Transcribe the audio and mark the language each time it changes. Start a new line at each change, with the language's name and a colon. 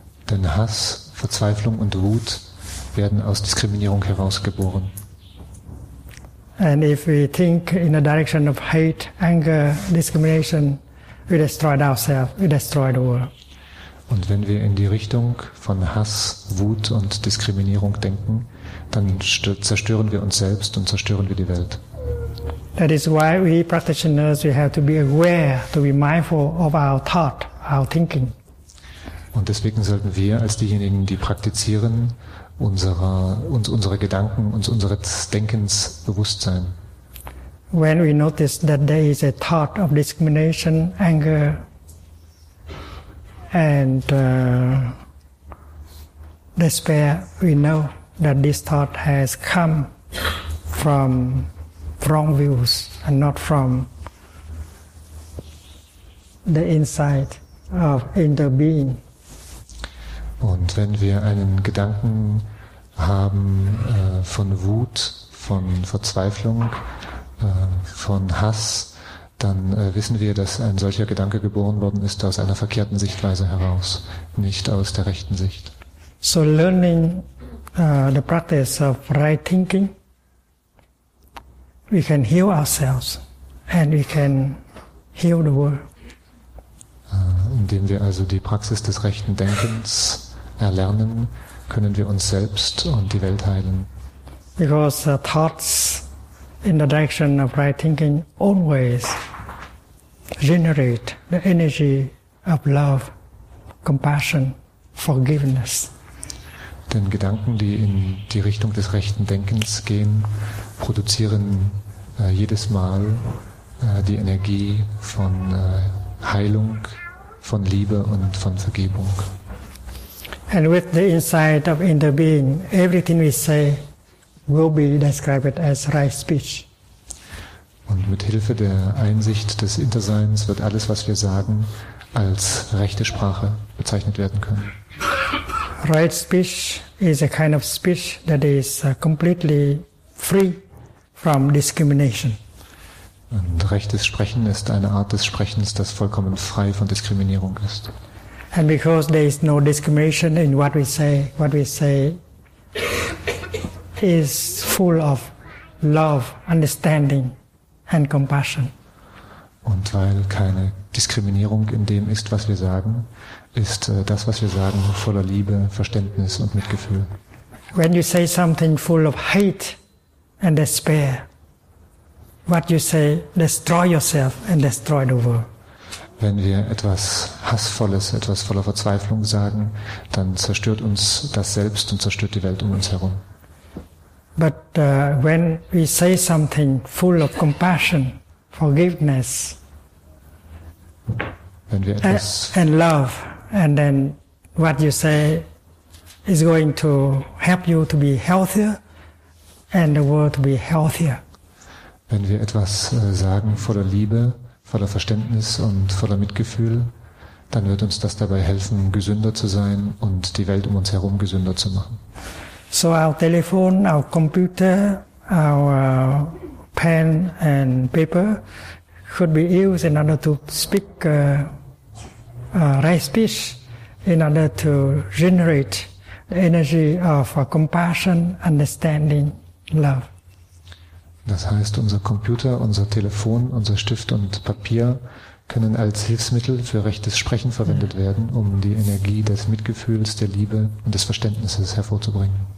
German: Denn Hass, Verzweiflung und Wut werden aus Diskriminierung herausgeboren.
English: And if we think in the direction of hate, anger, discrimination, we destroy ourselves, we destroy the world.
German: Und wenn wir in die Richtung von Hass, Wut und Diskriminierung denken, dann zerstören wir uns selbst und zerstören wir die Welt.
English: That is why we practitioners, we have to be aware, to be mindful of our thought, our thinking.
German: Und deswegen sollten wir als diejenigen, die praktizieren, unsere Gedanken, uns unseres Denkens bewusst sein.
English: When we notice that there is a thought of discrimination, anger, and despair, we know that this thought has come from wrong views and not from the insight of inner being.
German: Und wenn wir einen Gedanken haben von Wut, von Verzweiflung, von Hass, dann wissen wir, dass ein solcher Gedanke geboren worden ist aus einer verkehrten Sichtweise heraus, nicht aus der rechten Sicht.
English: So learning the practice of right thinking, we can heal ourselves and we can heal the world.
German: Indem wir also die Praxis des rechten Denkens erlernen, können wir uns selbst und die Welt heilen.
English: Because thoughts in the direction of right thinking always generate the energy of love, compassion, forgiveness.
German: Denn Gedanken, die in die Richtung des rechten Denkens gehen, produzieren jedes Mal die Energie von Heilung, von Liebe und von Vergebung.
English: And with the insight of inner being, everything we say will be described as right speech.
German: Und mit Hilfe der Einsicht des Interseins wird alles, was wir sagen, als rechte Sprache bezeichnet werden können.
English: Right speech is a kind of speech that is completely free from discrimination.
German: Und rechtes Sprechen ist eine Art des Sprechens, das vollkommen frei von Diskriminierung ist.
English: And because there is no discrimination in what we say is full of love, understanding and compassion.
German: Und weil keine Diskriminierung in dem ist, was wir sagen, ist das, was wir sagen, voller Liebe, Verständnis und Mitgefühl.
English: When you say something full of hate and despair, what you say, destroy yourself and destroy the world.
German: Wenn wir etwas Hassvolles, etwas voller Verzweiflung sagen, dann zerstört uns das selbst und zerstört die Welt um uns herum.
English: But when we say something full of compassion, forgiveness,
German: wenn wir etwas
English: and love, and then what you say is going to help you to be healthier and the world to be healthier.
German: Wenn wir etwas sagen voller Liebe, voller Verständnis und voller Mitgefühl, dann wird uns das dabei helfen, gesünder zu sein und die Welt um uns herum gesünder zu machen.
English: So our telephone, our computer, our pen and paper could be used in order to speak right speech, in order to generate the energy of compassion, understanding, love.
German: Das heißt, unser Computer, unser Telefon, unser Stift und Papier können als Hilfsmittel für rechtes Sprechen verwendet werden, um die Energie des Mitgefühls, der Liebe und des Verständnisses hervorzubringen.